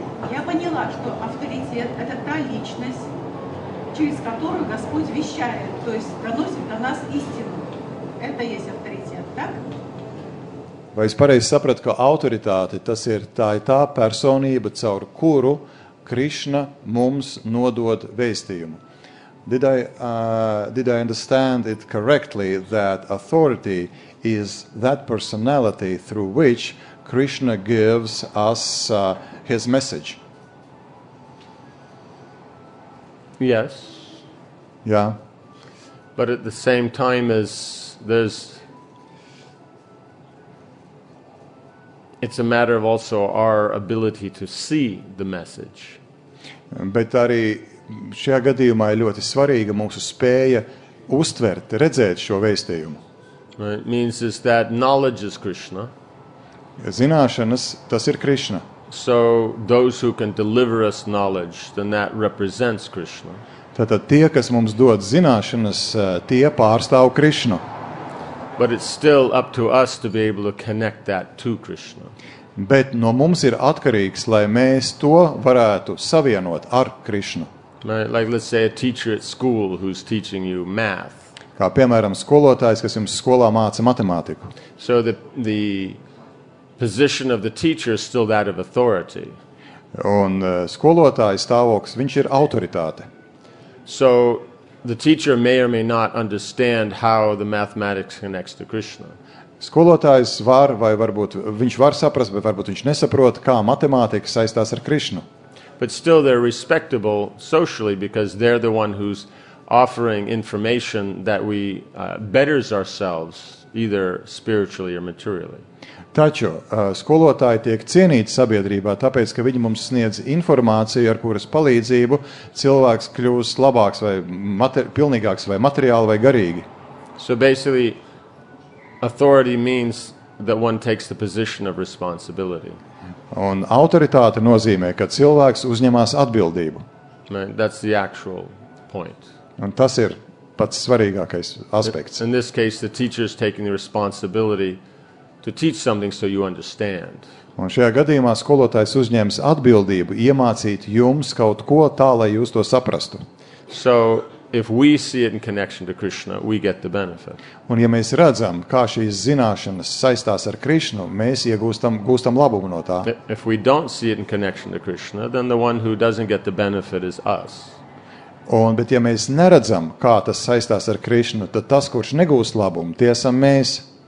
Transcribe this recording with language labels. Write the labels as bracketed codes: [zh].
[ru] Я поняла, что авторитет – это та личность, через которую Господь вещает, то есть доносит до нас истину. Это есть авторитет, так? [lv] Vai es pareizi sapratu, ka autoritāte tas ir tā personība, caur kuru Krišna mums nodod vēstījumu? [en] Did I understand it correctly that authority is that personality through which Krishna gives us his message? Yes. Yeah. But at the same time as there's it's a matter of also our ability to see the message. [lv] Bet arī šajā gadījumā ir ļoti svarīga mūsu spēja uztvert, redzēt šo vēstījumu. [en] Right. Means is that knowledge is Krishna. [lv] Zināšanas, tas ir Krishna. [en] So those who can deliver us knowledge, then that represents Krishna. [lv] Tātad tie, kas mums dod zināšanas, tie pārstāv Krishnu. [en] But it's still up to us to be able to connect that to Krishna. [lv] Bet no mums ir atkarīgs, lai mēs to varētu savienot ar Krishnu. [en] Like, let's say, a teacher at school who's teaching you math. [lv] Kā, piemēram, skolotājs, kas jums skolā māca matemātiku. [en] So the position of the teacher is still that of authority. [lv] Un skolotāja stāvoklis, viņš ir autoritāte. [en] So the teacher may or may not understand how the mathematics connects to Krishna. [lv] Skolotājs var vai varbūt viņš var saprast, bet varbūt viņš nesaprot, kā matemātika saistās ar Krishnu. [en] But still they're respectable socially because they're the one who's offering information that we betters ourselves either spiritually or materially. [lv] Taču skolotāji tiek cienīti sabiedrībā, tāpēc, ka viņi mums sniedz informāciju, ar kuras palīdzību cilvēks kļūst labāks vai pilnīgāks vai materiāli vai garīgi. [en] So basically, authority means that one takes the position of responsibility. [lv] Un autoritāte nozīmē, ka cilvēks uzņemās atbildību. [en] Right, that's the actual point. [lv] Un tas ir pats svarīgākais aspekts. [en] In this case, the teacher is taking the responsibility to teach something so you understand. [lv] Un šajā gadījumā skolotājs uzņems atbildību iemācīt jums kaut ko tā, lai jūs to saprastu. [en] So, if we see it in connection to Krishna, we get the benefit. [lv] Un ja mēs redzam, kā šīs zināšanas saistās ar Krishnu, mēs iegūstam labumu no tā. [en] If we don't see it in connection to Krishna, then the one who doesn't get the benefit is us. [lv] Un, bet ja mēs neredzam, kā tas saistās ar Krishnu, tad tas, kurš negūst labumu, tie esam mēs.